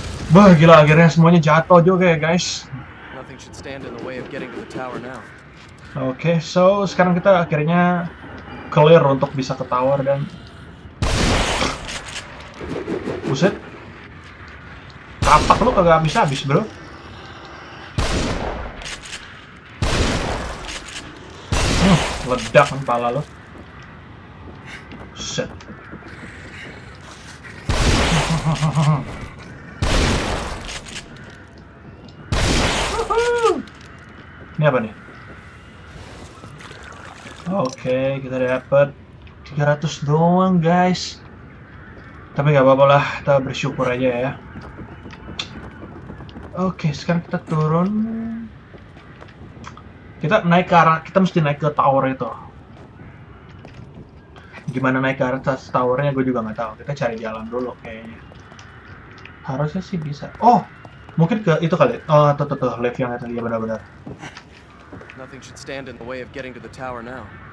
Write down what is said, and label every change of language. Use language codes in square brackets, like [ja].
[id] Buh, gila, akhirnya semuanya jatuh juga ya, guys. [en] Nothing should stand in the way of getting to the tower now. [id] Oke, so sekarang kita akhirnya clear untuk bisa ke tower dan buset. Apa lu kagak habis-habis, bro? Ledak kan pala lu. Shit. Ini apa nih? Oke, okay, kita dapet 300 doang, guys. Tapi gak apa-apa lah, kita bersyukur aja ya. Oke, sekarang kita turun. Kita naik ke arah, kita mesti naik ke tower itu. Gimana naik ke arah towernya, gue juga nggak tahu. Kita cari jalan dulu kayaknya. Harusnya sih bisa. Oh, mungkin ke itu kali. Oh, tuh, lift yang itu, iya benar-benar. [en] Nothing should stand in the way of getting to the tower now.